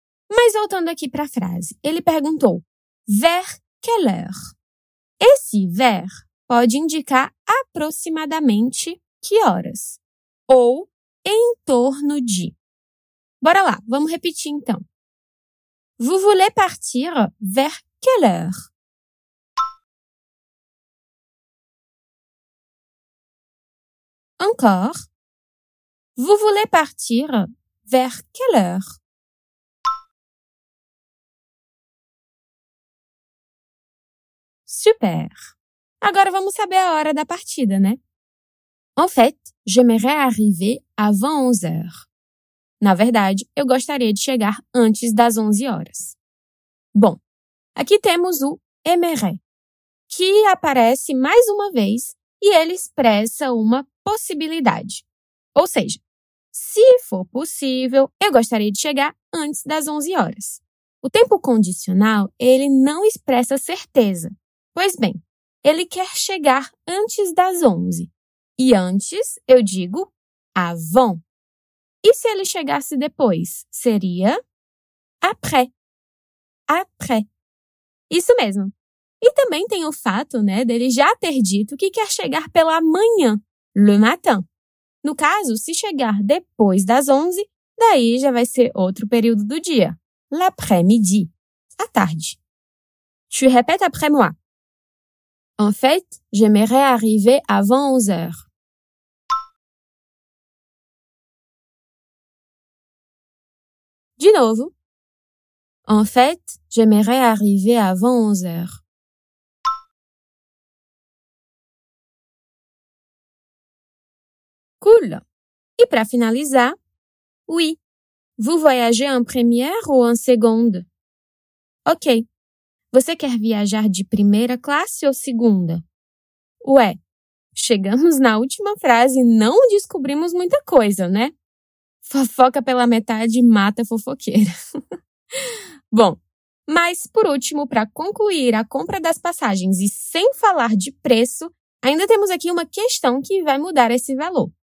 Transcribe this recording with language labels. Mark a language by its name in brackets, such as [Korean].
[Portuguese] Mas voltando aqui para a frase, ele perguntou [French] vers quelle heure? [Portuguese] Esse vers pode indicar aproximadamente que horas ou em torno de. Bora lá, vamos repetir então. [French] Vous voulez partir vers quelle heure? Encore. Vous voulez partir vers quelle heure? [Portuguese] Super. Agora vamos saber a hora da partida, né? [French] En fait, j'aimerais arriver avant 11 heures. [Portuguese] Na verdade, eu gostaria de chegar antes das 11 horas. Bom, aqui temos o aimerais, que aparece mais uma vez e ele expressa uma possibilidade. Ou seja, se for possível, eu gostaria de chegar antes das 11 horas. O tempo condicional, ele não expressa certeza. Pois bem, ele quer chegar antes das 11. E antes, eu digo avant. E se ele chegasse depois, seria après. Après. Isso mesmo. E também tem o fato, né, dele já ter dito que quer chegar pela manhã, [French] le matin. [Portuguese] No caso, se chegar depois das 11, daí já vai ser outro período do dia, l'après-midi, à tarde. [French] Tu répètes après moi. En fait, j'aimerais arriver avant 11 heures. [Portuguese] De novo. [French] En fait, j'aimerais arriver avant 11 heures. Cool. [Portuguese] E para finalizar, [French] oui. Vous voyagez en première ou en seconde? Ok. [Portuguese] Você quer viajar de primeira classe ou segunda? Ué, chegamos na última frase e não descobrimos muita coisa, né? Fofoca pela metade mata fofoqueira. Bom, mas por último, para concluir a compra das passagens e sem falar de preço, ainda temos aqui uma questão que vai mudar esse valor.